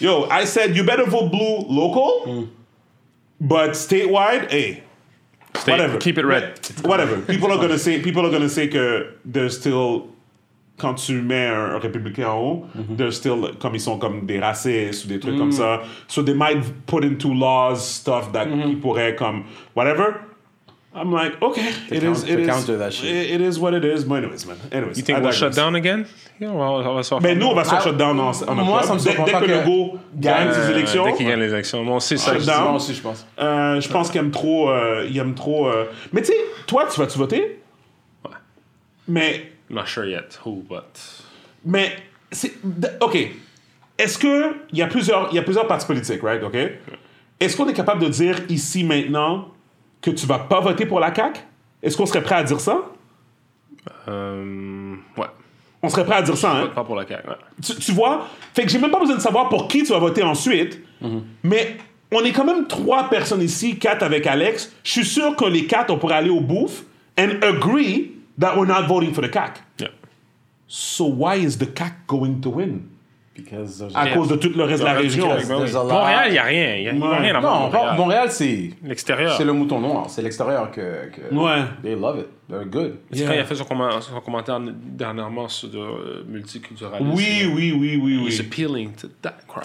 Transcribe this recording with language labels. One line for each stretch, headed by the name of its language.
English: Yo, I said, you better vote blue local. Mm. But statewide, hey. State, whatever. Keep it red. Whatever. People are going to say que they're still...
French: Quand tu mets un républicain en haut, mm-hmm. they're still, comme ils sont comme des racistes ou des trucs comme ça.
English: So they might put into laws stuff that ils pourraient comme, whatever. I'm like, okay, it is what it is. But anyways. You think we'll shut down again? Yeah, well,
French: mais nous, on va se shut down en octobre. Moi, ça me surprend pas que... Dès que Legault gagne ses élections. Dès qu'il gagne les élections. Moi aussi, ça. Moi aussi, je pense. Je pense qu'il aime trop... Mais tu sais, toi, tu vas-tu voter? Ouais. Mais...
English: I'm not sure yet who, but...
French: Mais, OK. Est-ce que... Il y a plusieurs partis politiques, right? OK? Est-ce qu'on est capable de dire ici, maintenant, que tu vas pas voter pour la CAQ? Est-ce qu'on serait prêt à dire ça? Ouais. On serait prêt à dire je ça, hein? Je vote pas pour la CAQ, ouais. Tu vois? Fait que j'ai même pas besoin de savoir pour qui tu vas voter ensuite. Mm-hmm. Mais on est quand même 3 personnes ici, 4 avec Alex. Je suis sûr que les 4, on pourrait aller au bouffe and agree...
English: That we're not voting for the CAC. Yeah. So why is the CAC going to win? Because
French: there's a cause de tout le reste de la région. Montréal, y a rien. Y a rien à voir. Non, Montréal, c'est l'extérieur. C'est le mouton noir. C'est l'extérieur que. Ouais.
English: They love it. They're good.
French: Est-ce qu'il a fait son commentaire dernièrement sur le multiculturalisme? Oui.
English: He's appealing to that crowd.